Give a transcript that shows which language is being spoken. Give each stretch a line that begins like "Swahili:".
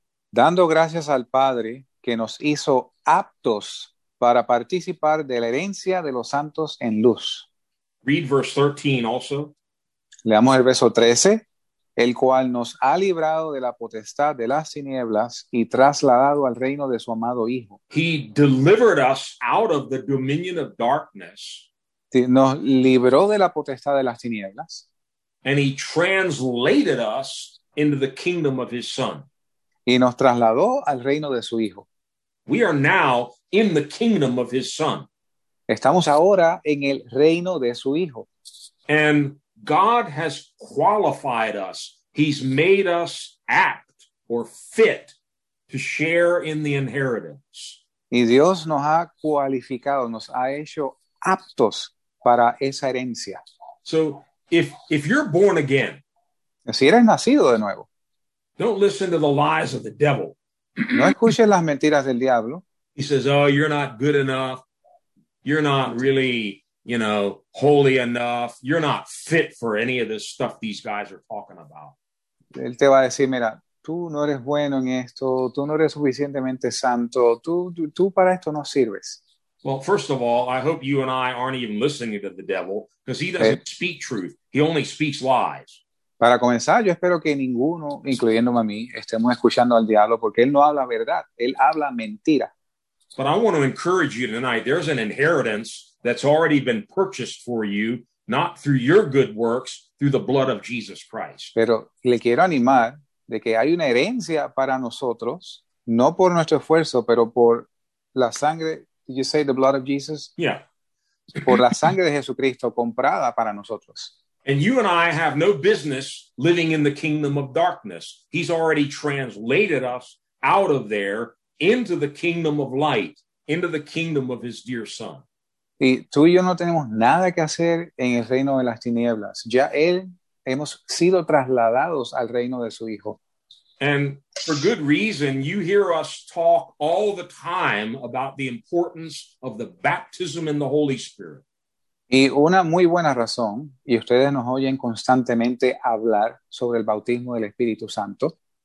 Spanish: Dando gracias al Padre que nos hizo aptos para participar de la herencia de los santos en luz.
English: Read verse 13 also.
Spanish: Leamos el verso 13. El cual nos ha librado de la potestad de las tinieblas y trasladado al reino de su amado Hijo.
English: He delivered us out of the dominion of darkness.
Spanish: Nos libró de la potestad de las tinieblas.
English: And he translated us into the kingdom of his Son.
Spanish: Y nos trasladó al reino de su Hijo.
English: We are now in the kingdom of his Son.
Spanish: Estamos ahora en el reino de su Hijo.
English: And God has qualified us. He's made us apt or fit to share in the inheritance.
Spanish: Y Dios nos ha cualificado, nos ha hecho aptos para esa herencia.
English: So if you're born again,
Spanish: si eres nacido de nuevo,
English: don't listen to the lies of the devil.
Spanish: No escuches las mentiras del diablo.
English: He says, oh, you're not good enough. You're not really, you know, holy enough. You're not fit for any of this stuff these guys are talking about.
Spanish: Él te va a decir, mira, tú no eres bueno en esto. Tú no eres suficientemente santo. Tú para esto no sirves.
English: Well, first of all, I hope you and I aren't even listening to the devil, because he doesn't speak truth. He only speaks lies.
Spanish: Para comenzar, yo espero que ninguno, incluyéndome a mí, estemos escuchando al diablo, porque él no habla verdad. Él habla mentira.
English: But I want to encourage you tonight. There's an inheritance that's already been purchased for you, not through your good works, through the blood of Jesus Christ.
Spanish: Pero le quiero animar de que hay una herencia para nosotros, no por nuestro esfuerzo, pero por la sangre.
English: Did you say the blood of Jesus? Yeah.
Spanish: por la sangre de Jesucristo comprada para nosotros.
English: And you and I have no business living in the kingdom of darkness. He's already translated us out of there into the kingdom of light, into the kingdom of his dear son.
Spanish: Y tú y yo no tenemos nada que hacer en el reino de las tinieblas. Ya él hemos sido trasladados al reino de su hijo.
English: And for good reason, you hear us talk all the time about the importance of the baptism in the Holy Spirit.
Spanish: Y una muy buena razón, y ustedes nos oyen constantemente hablar sobre el bautismo del Espíritu Santo.